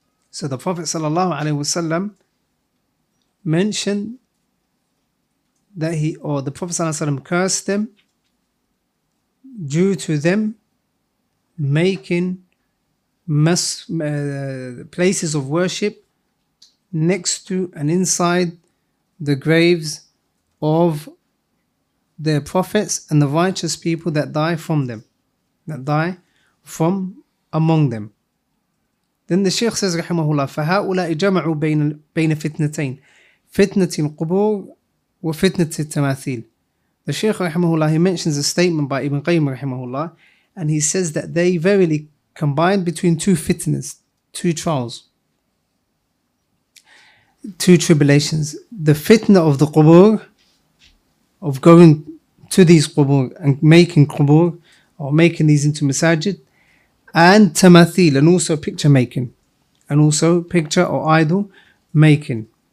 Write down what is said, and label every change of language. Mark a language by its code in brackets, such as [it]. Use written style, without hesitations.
[en] So the Prophet sallallahu alaihi wasallam mentioned that he, or the Prophet sallallahu alaihi wasallam cursed them due to them making places of worship next to and inside the graves of their prophets and the righteous people that die from them, that die from among them. Then the Shaykh says, [ar] رحمه الله, فهؤلاء جمعوا بين فتنتين, فتنة القبور وفتنة التماثيل. [en] The Shaykh رحمه الله, he mentions a statement by Ibn Qayyim رحمه الله, and he says that they verily combined between two fitnas, two trials, two tribulations. The fitna of the qubur, of going to these qubur and making qubur, or making these into masajid, and tamathil, and also picture making, and also picture or idol making.